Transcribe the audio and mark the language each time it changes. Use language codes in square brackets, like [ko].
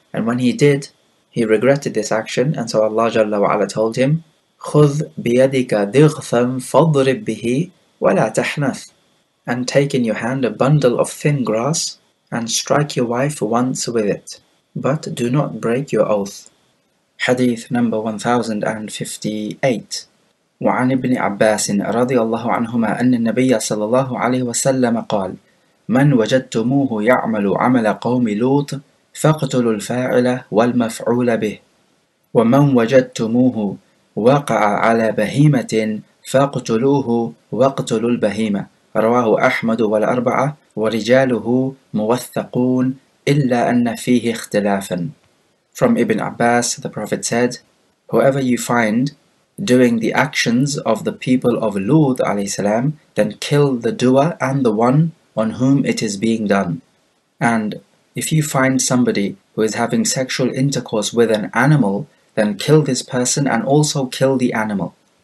[en] And when he did, he regretted this action, and so Allah Jalla wa'ala told him, [ar] خُذْ بِيَدِكَ دِغْثًا فَضْرِبْ بِهِ وَلَا تَحْنَثْ, [en] and take in your hand a bundle of thin grass and strike your wife once with it, but do not break your oath. Hadith number 1058. [ar] وعن ابن عباس رضي الله عنهما أن النبي صلى الله عليه وسلم قال من وجدتموه يعمل عمل قوم لوط فاقتلوا الفاعل والمفعول به ومن وجدتموه وقع على بهيمة فاقتلوه واقتلوا البهيمة رواه أحمد والأربعة ورجاله موثقون إلا أن فيه اختلافا. [en] From Ibn Abbas, the Prophet said, whoever you find doing the actions of the people of Lut alayhi salam, then kill the doer and the one on whom it is being done. And if you find somebody who is having sexual intercourse with an animal, then kill this person and also kill the animal.